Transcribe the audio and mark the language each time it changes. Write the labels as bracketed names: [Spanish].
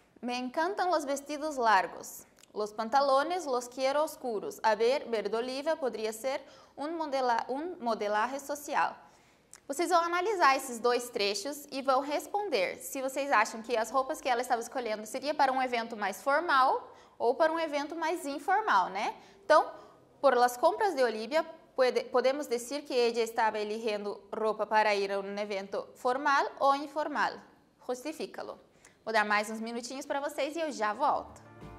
[Spanish] Me encantam los vestidos largos. Los pantalones los quiero oscuros. A ver, verde oliva podría ser un modelaje social. [Portuguese] Vocês vão analisar esses dois trechos e vão responder se vocês acham que as roupas que ela estava escolhendo seria para um evento mais formal ou para um evento mais informal, né? [Spanish] Então, por las compras de Olivia, podemos decir que ella estaba eligiendo roupa para ir a um evento formal ou informal. Justifícalo. [Portuguese] Vou dar mais uns minutinhos para vocês e eu já volto.